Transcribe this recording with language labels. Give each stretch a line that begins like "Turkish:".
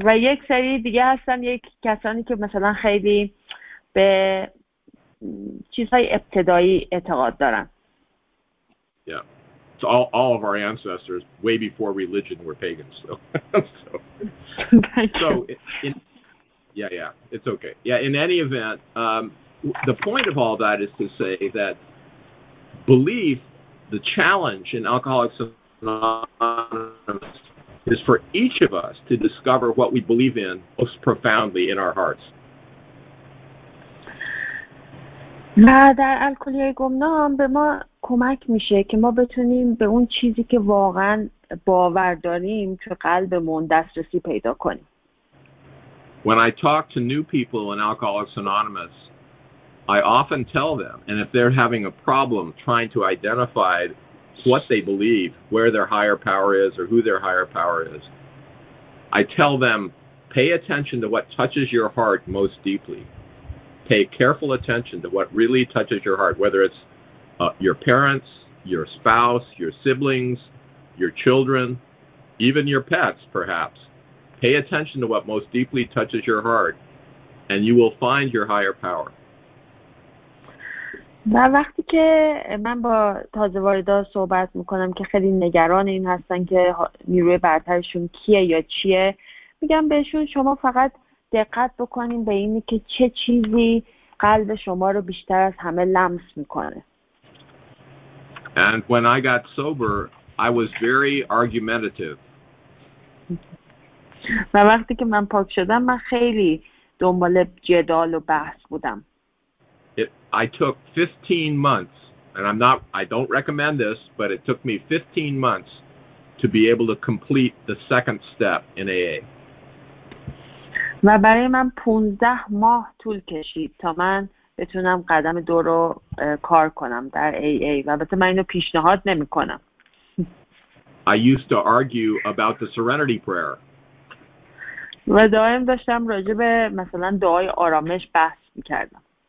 Persian: و یک سری دیگه هستن یک کسانی که مثلا خیلی به چیزهای ابتدایی اعتقاد دارن.
English: Yeah. So all of our ancestors, way before religion, were pagans. It's okay. Yeah, in any event, the point of all that is to say that belief, the challenge in Alcoholics Anonymous is for each of us to discover what we believe in most profoundly in our hearts.
Persian: در الکلی گمنام به ما کمک میشه که ما بتونیم به اون چیزی که واقعا باور داریم تو قلبمون دسترسی پیدا کنیم.
English: When I talk to new people in Alcoholics Anonymous, I often tell them, and if they're having a problem trying to identify what they believe, where their higher power is or who their higher power is, I tell them, pay attention to what touches your heart most deeply. Pay careful attention to what really touches your heart, whether it's your parents, your spouse, your siblings, your children, even your pets, perhaps. Pay attention to what most deeply touches your heart, and you will find your higher power.
Persian: و وقتی که من با تازه واردا صحبت میکنم که خیلی نگران این هستن که نیروی برترشون کیه یا چیه، میگم بهشون شما فقط دقت بکنین به اینی که چه چیزی قلب شما رو بیشتر از همه لمس میکنه.
English: And when I got sober, I was very argumentative.
Persian: و وقتی که من پاک شدم من خیلی دنبال جدال و بحث بودم.
English: I took 15 months, and I don't recommend this, but it took me 15 months to be able to complete the second step in AA.
Persian: و برای من 15 ماه طول کشید تا من بتونم قدم دو رو کار کنم در AA. و البته من اینو پیشنهاد نمی کنم.
English: I used to argue about the Serenity Prayer.
Persian: و دائم داشتم راجع به مثلا دعای آرامش بحث می کردم.